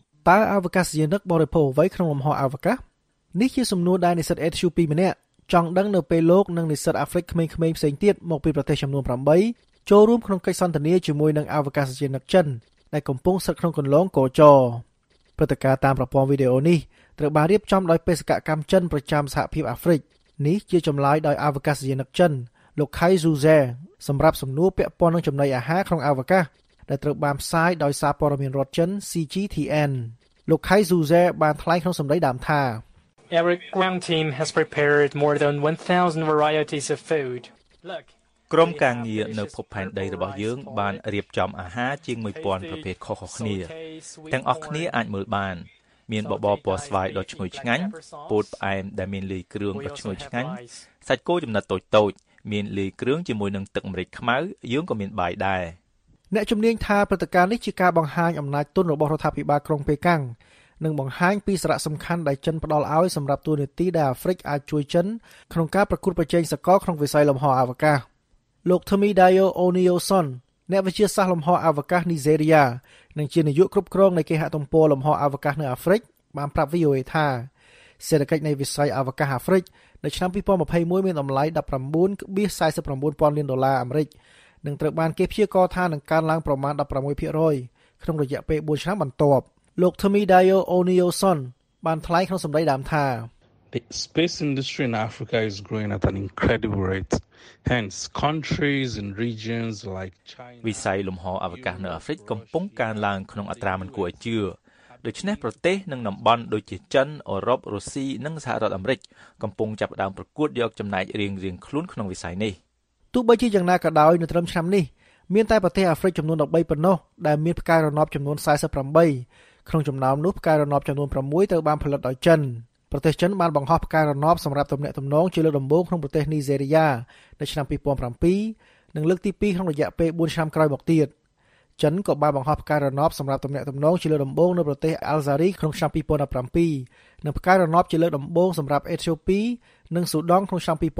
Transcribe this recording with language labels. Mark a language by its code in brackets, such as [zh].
[km] តើអវកាសយានិកបរិភោគអ្វីក្នុងលំហអវកាសនេះជាសំណួរដែលនិស្សិតអេធ្យូពីម្នាក់ចង់ដឹងនៅពេលលោកនិងនិស្សិតអាហ្វ្រិកក្មេងៗផ្សេងទៀតមកពីប្រទេសចំនួន8ចូលរួមក្នុងកិច្ចសន្ទនាជាមួយនឹងអវកាសយានិកចិនដែលកំពុងស្ថិតក្នុងគន្លងកោចរព្រឹត្តិការណ៍តាមប្រព័ន្ធវីដេអូនេះត្រូវបានរៀបចំដោយបេសកកម្មចិនប្រចាំសហភាពអាហ្វ្រិកនេះជាចម្លើយដោយអវកាសយានិកចិនលោកខៃស៊ូសែសម្រាប់សំណួរពាក់ព័ន្ធនឹងចំណីអាហារក្នុងអវកាស ដែលត្រូវបានផ្សាយដោយសារព័ត៌មានរដ្ឋចិន CGTN លោកខៃស៊ូសេបានថ្លែងក្នុងសម្ដីដើមថា [en] Ever ground team has prepared more than 1000 varieties of food. Look. [km] ក្រុមការងារនៅភពផែនដីរបស់យើងបានរៀបចំអាហារជាង 1000 ប្រភេទខុសៗគ្នាទាំងអស់គ្នាអាចមើលបានមានបបរពណ៌ស្វាយដ៏ឈ្ងុយឆ្ងាញ់ពោតផ្អែមដែលមានលាយគ្រឿងដ៏ឈ្ងុយឆ្ងាញ់សាច់គោចំណិតតូចៗមានលាយគ្រឿងជាមួយនឹងទឹកម្រេចខ្មៅយើងក៏មានបាយដែរ អ្នកជំនាញថាព្រឹត្តិការណ៍នេះជាការបង្ហាញអំណាចទុនរបស់រដ្ឋាភិបាលក្រុងប៉េកាំងនឹងបង្ហាញពីសារៈសំខាន់ដែលចិនផ្ដល់ឲ្យសម្រាប់ទូរនីតិដែលអាហ្វ្រិកអាចជួយចិនក្នុងការប្រកួតប្រជែងសកលក្នុងវិស័យលំហអវកាសលោកធមីដាយូអូនីយ៉ូសុនអ្នកវិទ្យាសាស្ត្រលំហអវកាសនីហ្សេរីយ៉ានិងជានាយកគ្រប់គ្រងនៃគេហទំព័រលំហអវកាសនៅអាហ្វ្រិកបានប្រាប់ VOA ថាសេដ្ឋកិច្ចនៃវិស័យអវកាសអាហ្វ្រិកនៅឆ្នាំ2021មានតម្លៃ 19.49 លានដុល្លារអាមេរិកនិងត្រូវបានគេព្យាករណ៍ថានឹងកើនឡើងប្រមាណ 16% ក្នុងរយៈពេល4ឆ្នាំបន្ទាប់លោកធមីដាយូអូនីយ៉ូសុនបានថ្លែងក្នុងសម្ដីដើមថា [en] The space industry in Africa is growing at an incredible rate. Hence, countries and regions like China. [km] វិស័យលំហអវកាសនៅអាហ្វ្រិកកំពុងកើនឡើងក្នុងអត្រាមិនគួរឲ្យជឿដូច្នេះប្រទេសនិងតំបន់ដូចជាចិនអឺរ៉ុបរុស្ស៊ីនិងសហរដ្ឋអាមេរិកកំពុងចាប់ផ្ដើមប្រកួតយកចំណែករៀងៗខ្លួនក្នុងវិស័យនេះ ទោះបីជាយ៉ាងណាក៏ដោយនៅត្រឹមឆ្នាំនេះមានតែប្រទេសអាហ្វ្រិកចំនួន13ប៉ុណ្ណោះដែលមានផ្កាយរណបចំនួន48ក្នុងចំណោមនោះផ្កាយរណបចំនួន6ត្រូវបានផលិតដោយចិនប្រទេសចិនបានបង្ហោះផ្កាយរណបសម្រាប់ទំនាក់ទំនងជាលើកដំបូងក្នុងប្រទេសនីហ្សេរីយ៉ានៅឆ្នាំ2007និងលើកទី2ក្នុងរយៈពេល4ឆ្នាំក្រោយមកទៀតចិនក៏បានបង្ហោះផ្កាយរណបសម្រាប់ទំនាក់ទំនងជាលើកដំបូងនៅប្រទេសអាល់ហ្សារីក្នុងឆ្នាំ2017និងផ្កាយរណបជាលើកដំបូងសម្រាប់អេត្យូពីនិងស៊ូដង់ក្នុងឆ្នាំ